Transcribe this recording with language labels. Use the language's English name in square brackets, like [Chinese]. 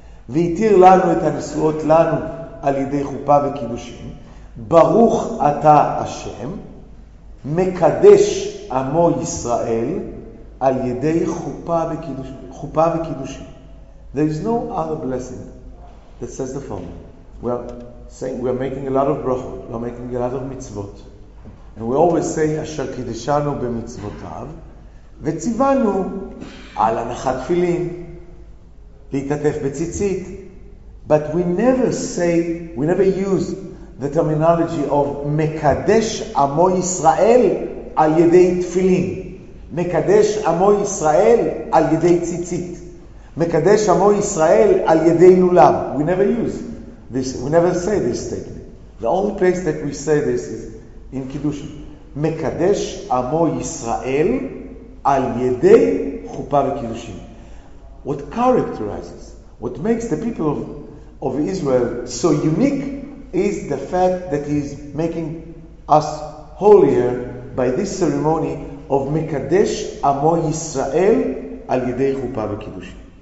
[Hebrew] ויתיר לנו את הנשואות לנו על ידי חופה וקידושים. ברוך אתה השם, מקדש עמו ישראל על ידי חופה וקידושים. [English] There is no other blessing that says the following. We are saying, we are making a lot of brachot, we are making a lot of mitzvot. And we always say, [Hebrew] אשר קידשנו במצוותיו, וציוונו על הנחת תפילין, להתעטף בציצית. [English] But we never say, we never use the terminology of [Hebrew] מקדש עמו ישראל על ידי תפילין. מקדש עמו ישראל על ידי ציצית. מקדש עמו ישראל על ידי לולב. [English] We never use this, we never say this statement. The only place that we say this is in קידוש. [Hebrew] מקדש עמו ישראל על ידי חופה וקידושים. [English] What characterizes, what makes the people of Israel so unique is the fact that he is making us holier by this ceremony of [Hebrew] Mekadesh Amo Yisrael al Yedei Chupa v'Kiddushin.